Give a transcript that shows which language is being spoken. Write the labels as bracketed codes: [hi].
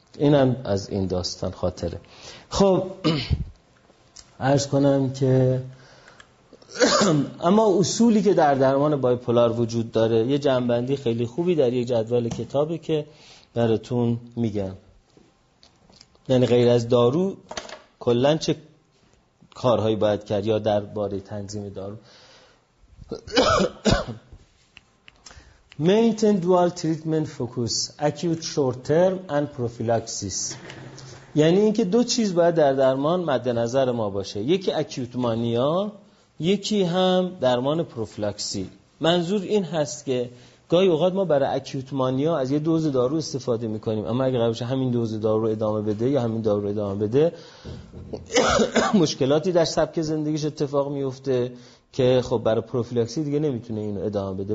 [fa] اینم از این داستان خاطره. خب عرض کنم که اما اصولی که در درمان بایپولار وجود داره یه جنبندی خیلی خوبی در یه جدول کتابی که براتون میگم، یعنی غیر از دارو کلن چه کارهایی باید کرد یا در باره تنظیم دارو. [en] Maintain dual treatment focus, acute short term and prophylaxis. [fa] یعنی اینکه دو چیز باید در درمان مد نظر ما باشه، یکی اکیوت مانیا، یکی هم درمان پروفلاکسی. منظور این هست که گاهی اوقات ما برای اکیوت مانیا از یه دوز دارو استفاده میکنیم، اما اگه قرار همین دوز دارو ادامه بده یا همین دارو ادامه بده مشکلاتی در سبک زندگیش اتفاق میفته که خب برای پروفلاکسی دیگه نمیتونه اینو ادامه بده.